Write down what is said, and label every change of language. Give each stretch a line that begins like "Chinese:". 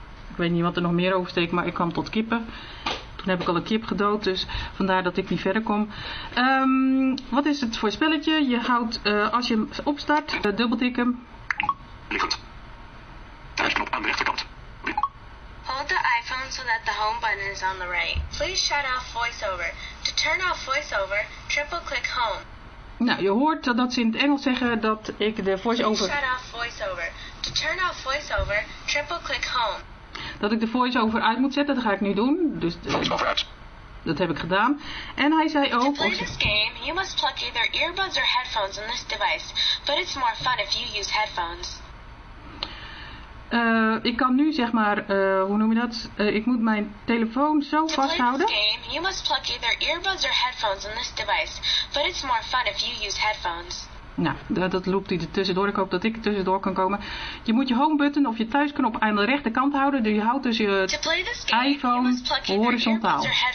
Dutch: Ik weet niet wat er nog meer oversteekt, maar ik kwam tot kippen. Toen heb ik al een kip gedood, dus vandaar dat ik niet verder kom. Wat is het voor spelletje? Je houdt, als je hem opstart, dubbeltik hem. Lievert. Thuisknop aan de rechterkant.
English: Hold the iPhone so that the home button is on the right. Please shut off voiceover. To turn off voiceover, triple click home.
Dutch: Nou, je hoort dat ze in het Engels zeggen dat ik de voiceover.
English: Please shut off voiceover. To turn off voiceover, triple click home.
Dutch: Dat ik de voiceover uit moet zetten, dat ga ik nu doen. Dus voiceover uit. Dat heb ik gedaan. En hij zei ook.
English: To play this game, you must plug either earbuds or headphones in this device. But it's more fun if you use headphones.
Dutch: Ik kan nu zeg maar, hoe noem je dat? Ik moet mijn telefoon zo vasthouden.
English: To play this game, you must plug either earbuds or headphones in this device. But it's more fun if you use headphones.
Dutch: Nou, dat loopt hij er tussendoor. Ik hoop dat ik er tussendoor kan komen. Je moet je home button of je thuisknop aan de rechterkant houden. Dus je houdt dus je iPhone horizontaal.